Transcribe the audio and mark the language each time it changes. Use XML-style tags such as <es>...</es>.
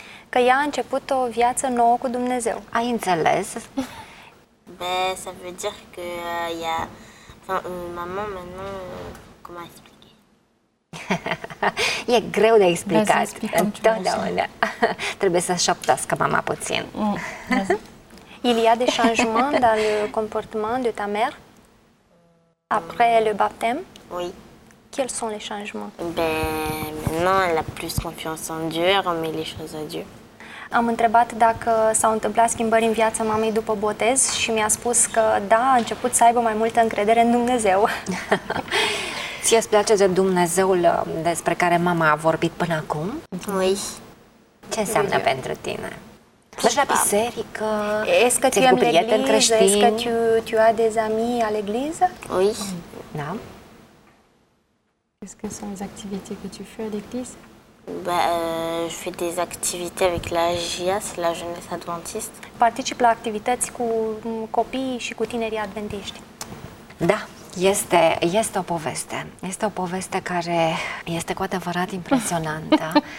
<ro>că ea a început o viață nouă cu Dumnezeu. Ai înțeles?</ro> <fr>Ça veut dire que il y a maman maintenant comment expliquer?</fr> <ro>E greu de explicat. Totdeauna. Trebuie să șoptească mama puțin.</ro> <fr>Il y a des changements dans le comportement de ta mère après le baptême? Oui. Quels sont les changements? Maintenant, elle a plus confiance en Dieu, elle remet les choses à Dieu.</fr> <ro>Am întrebat dacă s-au întâmplat schimbări în viața mamei după botez și mi-a spus că da, a început să aibă mai multă încredere în Dumnezeu. Ție îți place de Dumnezeul despre care mama a vorbit până acum?</ro> <fr>Oui.</fr> <ro>Ce înseamnă Dumnezeu pentru tine? Mergi la biserică?</ro> <fr>Est-ce que tu aimes l'église? Est-ce que tu as des amis à l'église? Oui.</fr> <ro>Da.</ro> <fr>Est-ce que sont les activités que tu fais à l'église? Je fais des activités avec la JAS, la jeunesse adventiste.</fr> <ro>Participe la activități cu copiii și cu tinerii adventiști. Da, este o poveste. Este o poveste care este cu adevărat impresionantă.</ro>